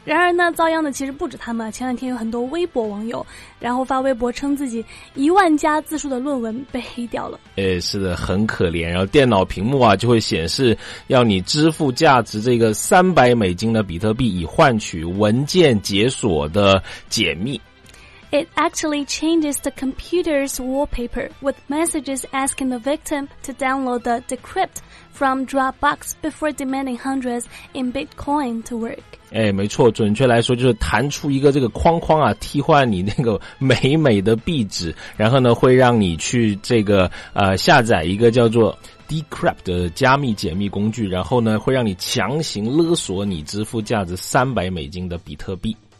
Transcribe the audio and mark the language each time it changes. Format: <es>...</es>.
<zh>然而呢，遭殃的其实不止他们，前两天有很多微博网友然后发微博称自己10000家字数的论文被黑掉了。诶，是的，很可怜。然后电脑屏幕啊就会显示要你支付价值这个300美金的比特币以换取文件解锁的解密。</zh> <en>It actually changes the computer's wallpaper with messages asking the victim to download the decrypt from Dropbox before demanding hundreds in Bitcoin to work.</en> <zh>哎，没错，准确来说就是弹出一个这个框框啊，替换你那个美美的壁纸，然后呢会让你去这个下载一个叫做 Decrypt 的加密解密工具，然后呢会让你强行勒索你支付价值300美金的比特币。</zh>